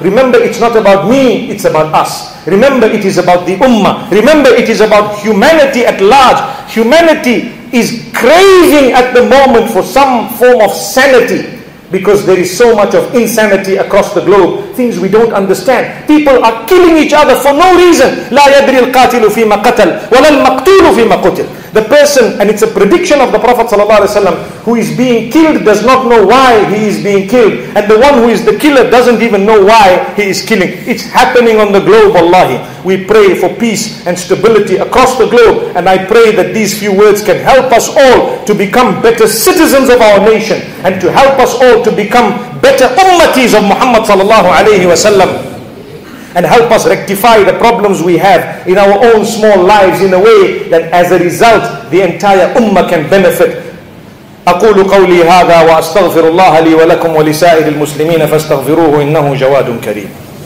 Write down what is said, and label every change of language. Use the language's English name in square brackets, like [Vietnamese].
[English] Remember, it's not about me, it's about us. Remember, it is about the ummah. Remember, it is about humanity at large. Humanity is craving at the moment for some form of sanity, because there is so much of insanity across the globe. Things we don't understand. People are killing each other for no reason. [Arabic] لا يدري القاتل فيما قتل ولا المقتول فيما قتل. [English] The person, and it's a prediction of the Prophet ﷺ, who is being killed does not know why he is being killed. And the one who is the killer doesn't even know why he is killing. It's happening on the globe, Wallahi. We pray for peace and stability across the globe. And I pray that these few words can help us all to become better citizens of our nation, and to help us all to become better ummatis of Muhammad ﷺ. And help us rectify the problems we have in our own small lives in a way that as a result the entire ummah can benefit. [Arabic] أقول قولي هذا وأستغفر الله لي ولكم ولسائر المسلمين فاستغفروه إنه جواد كريم.